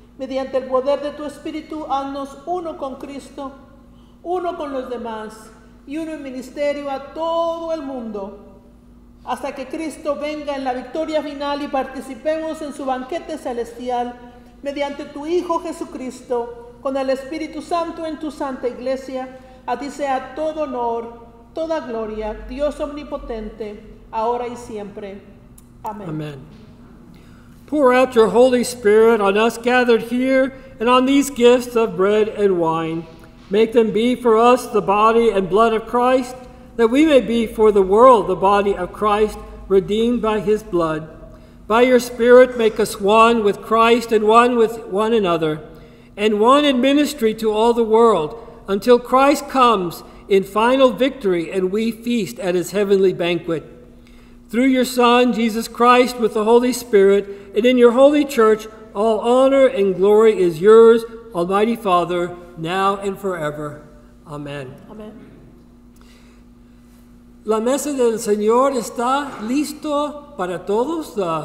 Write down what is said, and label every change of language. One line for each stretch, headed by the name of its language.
Spanish: Mediante el poder de tu Espíritu, haznos uno con Cristo, uno con los demás y uno en ministerio a todo el mundo, hasta que Cristo venga en la victoria final y participemos en su banquete celestial, mediante tu Hijo Jesucristo, con el Espíritu Santo en tu Santa Iglesia, a ti sea todo honor, toda gloria, Dios omnipotente, ahora y siempre. Amén.
English: Amen. Pour out your Holy Spirit on us gathered here and on these gifts of bread and wine. Make them be for us the body and blood of Christ, that we may be for the world the body of Christ, redeemed by his blood. By your Spirit, make us one with Christ and one with one another, and one in ministry to all the world, until Christ comes in final victory and we feast at his heavenly banquet. Through your Son, Jesus Christ, with the Holy Spirit, and in your holy church, all honor and glory is yours, Almighty Father, now and forever. Amen. Amen.
Spanish: La mesa del Señor está listo para todos.